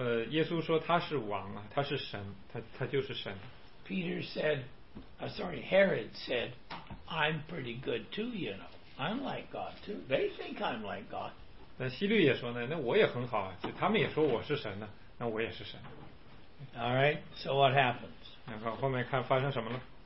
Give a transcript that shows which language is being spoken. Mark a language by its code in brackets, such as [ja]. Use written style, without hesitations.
[zh] 耶稣说他是王啊，他是神，他就是神。 [en] Herod said, "I'm pretty good too, you know. I'm like God too. They think I'm like God." [zh] 那希律也说呢，那我也很好啊，他们也说我是神呢，那我也是神。 [en] All right. So what happens? [zh] 然后后面看发生什么了。